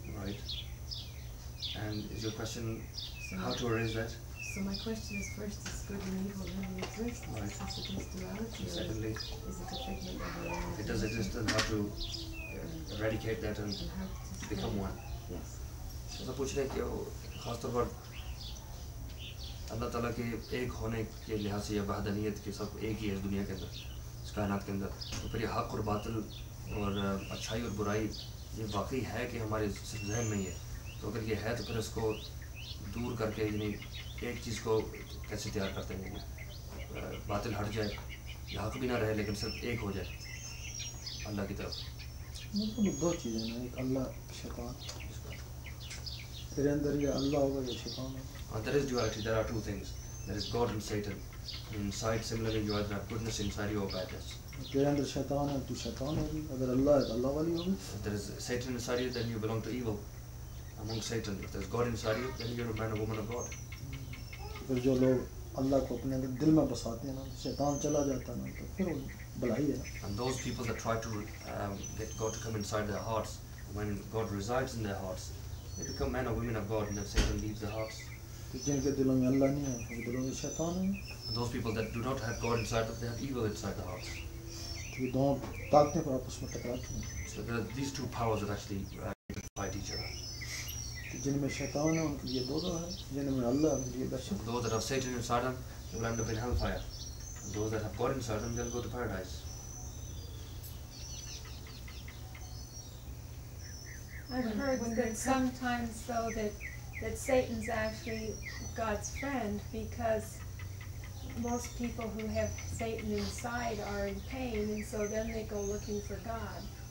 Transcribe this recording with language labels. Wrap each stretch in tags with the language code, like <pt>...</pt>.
<en>Right. And is your question how to erase that? So my question is first, is good and evil really exist? Right. Is it just duality? And secondly, is it a figment of our own? If it does exist, then how to eradicate that and become one? Yes. So I'm asking you,</en> <ur>خاص طور پر اللہ تعالیٰ کے ایک ہونے کے لحاظ سے یا وحدانیت کے سب ایک ہی ہے اس دنیا کے اندر اس کائنات کے اندر تو پھر یہ حق اور باطل اور اچھائی اور برائی یہ واقعی ہے کہ ہمارے ذہن میں ہی ہے تو اگر یہ ہے تو پھر اس کو دور کر کے یعنی ایک چیز کو کیسے تیار کرتے ہیں باطل ہٹ جائے یا حق بھی نہ رہے لیکن صرف ایک ہو جائے اللہ کی طرف مطلب دو چیزیں ہیں ایک اللہ شیطان تیرے اندر یہ اللہ ہوگا یا شیطان ہوگا</ur> <en>And there is duality, there are two things. There is God and Satan. Inside, similarly, you either have goodness inside you or badness. If there is Satan inside you, then you belong to evil. Among Satan, if there is God inside you, then you are a man or woman of God. And those people that try to get God to come inside their hearts, when God resides in their hearts, they become men or women of God and then Satan leaves their hearts.</en> <ur>جنگ دلوں میں اللہ نہیں ہے دلوں میں شیطان ہے</ur> <en>those people that do not have God inside but they have evil inside the hearts</en> <ur>تو یہ دونوں طاقتیں پر آپس میں ٹکراتی ہیں</ur> <en>so there are these two powers that actually fight each other</en> <ur>جن میں شیطان ہے ان کے لیے دوزخ ہے جن میں اللہ ہے ان کے لیے بہشت</ur> <en>those that have Satan inside them they will end up in hellfire those that have got in Sardam, they'll go to paradise. I've heard that sometimes, though, that Satan's actually God's friend, because most people who have Satan inside are in pain, and so then they go looking for God.</en>